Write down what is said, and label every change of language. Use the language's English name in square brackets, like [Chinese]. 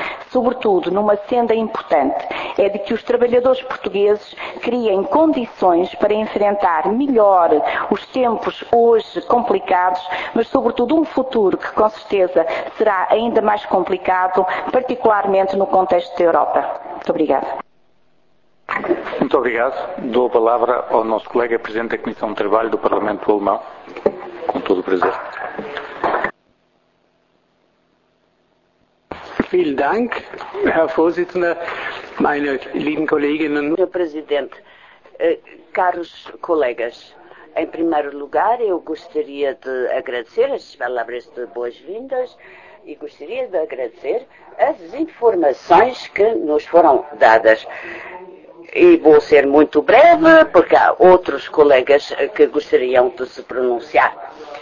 [Portuguese] Sobretudo, numa senda importante, é de que os trabalhadores portugueses criem condições para enfrentar melhor os tempos hoje complicados, mas sobretudo um futuro que com certeza será ainda mais complicado, particularmente no contexto da Europa. Muito obrigada. Muito obrigado. Dou a palavra ao nosso colega Presidente da Comissão de Trabalho do Parlamento Alemão, com todo o prazer. [German] Vielen Dank, Herr Vorsitzender, meine lieben Kolleginnen. [Portuguese] Senhor Presidente, caros colegas, em primeiro lugar, eu gostaria de agradecer as palavras de boas-vindas e gostaria de agradecer as informações que nos foram dadas. E vou ser muito breve, porque há outros colegas que gostariam de se pronunciar.